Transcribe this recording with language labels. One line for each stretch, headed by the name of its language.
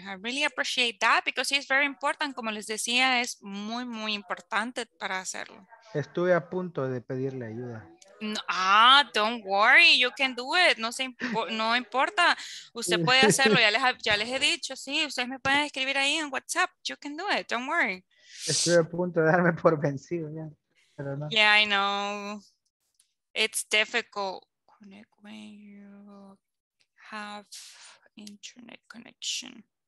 English: I really appreciate that because it's very important.
Spanish: Como les decía, es muy, muy importante para hacerlo. Estuve a punto de pedirle ayuda.
English: No, ah, don't worry, you can do it.
Spanish: No, no importa, usted puede hacerlo. Ya les he dicho, sí, ustedes me pueden escribir ahí en WhatsApp.
English: You can do it, don't worry.
Spanish: Estoy a punto de darme por vencido ya, pero no.
English: Yeah, I know. It's difficult. Connect when you have internet connection.